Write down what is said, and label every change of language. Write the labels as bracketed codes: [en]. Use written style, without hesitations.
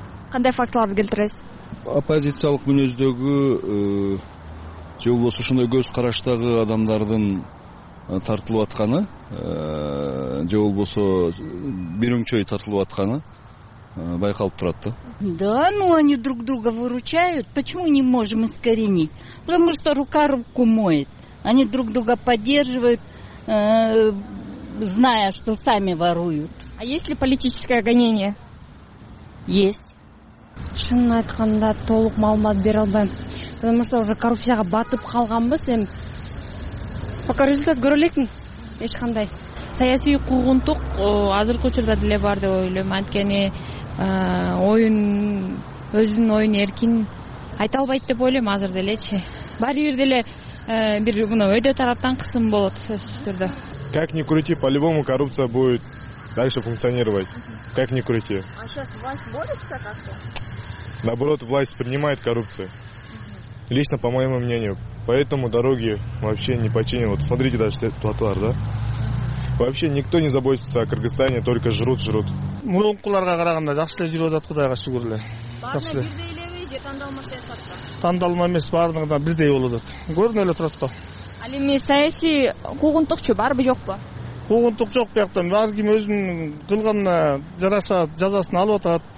[ky] Кандай фактыларды келтиресиз? Оппозициялык мүнөздөгү же болбосо ушундай көз караштагы адамдардын тартылып атканы же болбосо бир өңчөй тартылып атканы байкалып турат да. [ru] Да, ну они друг друга выручают. Почему не можем искоренить? Потому что рука руку моет. Они друг друга поддерживают, зная, что сами воруют. А есть ли политическое гонение? Есть. [ky] Чын айтканда толук маалымат бере албайм. [ru] Потому что уже [ky] коррупцияга батып калганбыз эми. Пока результат көрө элекмин. Эч кандай. саясий куугунтук азыркы учурда деле бар деп ойлойм. Анткени оюн өзүнүн оюн эркин айта албайт деп ойлойм азыр делечи. Баары бир деле бир мына өйдө тараптан кысым болот сөзсүз түрдө. [ru] Как ни крути, по-любому коррупция будет дальше функционировать. Как ни крути. А сейчас власть борется как-то? Наоборот, власть принимает коррупцию. Лично, по моему мнению. Поэтому дороги вообще не починены. Вот смотрите даже этот тротуар, да? Вообще никто не заботится о Кыргызстане, только жрут, жрут. [ky] Мурункуларга караганда жакшы эле жүрөт откуда я гашу гурле. Барына бирдей эле эмес, же тандалма саясатта. Тандалма эмес, баардыгында бирдей болот атат. Көрүнө эле турат го. Ал эми саясий куугунтукчу барбы жокпу? Куугунтук жок бияк да. Ар ким өзүнүн кылганына жараша жазасын алып атат.